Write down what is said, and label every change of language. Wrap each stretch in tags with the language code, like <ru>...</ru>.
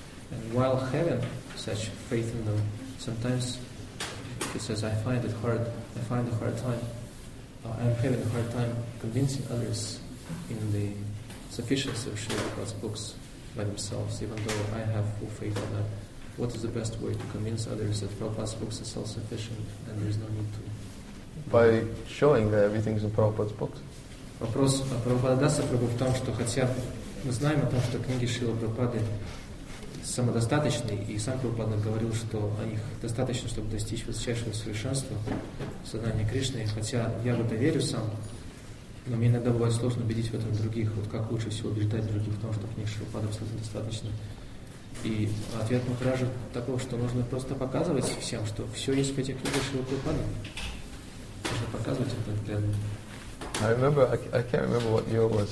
<en>And while having such faith in them, sometimes he says, I'm having a hard time convincing others in the sufficiency of Srila Prabhupada's books by themselves, even though I have full faith in that. What is the best way to convince others that Prabhupada's books are self-sufficient and there is no need to? By showing that everything is in Prabhupada's books.</en> <ru>Вопрос Прабхупада даст Прабху в том, что хотя мы знаем о том, что книги Шрилы Прабхупады самодостаточны, и сам Прабхупада говорил, что о них достаточно, чтобы достичь высочайшего совершенства сознания Кришны. Хотя я в это верю сам, но мне иногда бывает сложно убедить в этом других. Вот как лучше всего убеждать других в том, что книги Шрилы Прабхупады абсолютно достаточны. И ответ Махараджа такой, что нужно просто показывать всем, что все есть в этих книгах Шрилы Прабхупады.</ru> <en>I remember, I can't remember what year it was.</en>